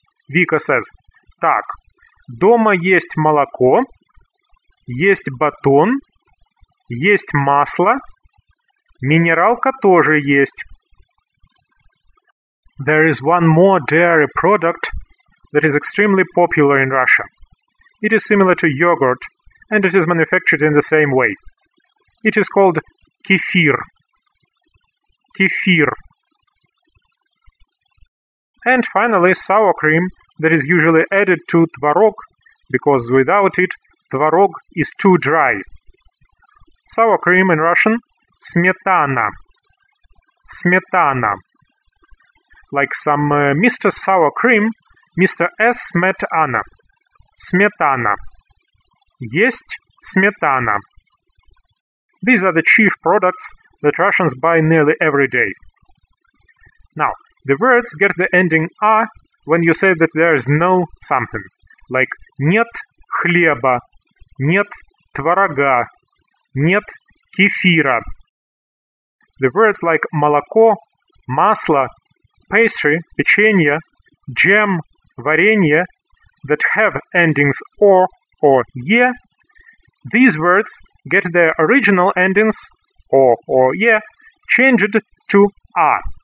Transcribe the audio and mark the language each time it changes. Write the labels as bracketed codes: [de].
[ru] Вика says, так, дома есть молоко, есть батон, есть масло, минералка тоже есть. [en] There is one more dairy product that is extremely popular in Russia. It is similar to yogurt, and it is manufactured in the same way. It is called kefir. Kefir. And finally, sour cream that is usually added to творог, because without it, творог is too dry. Sour cream in Russian, сметана. Сметана. Like some Mr. Sour Cream, Mr. S. Сметана. Сметана. [ru] Есть сметана. [en] These are the chief products that Russians buy nearly every day. Now, the words get the ending «а» when you say that there is no something. [ru] Like «нет хлеба», «нет творога», «нет кефира». [en] The words like «молоко», «масло», «пастри», «печенье», «джем», варенье that have endings or е, these words get their original endings or е changed to а.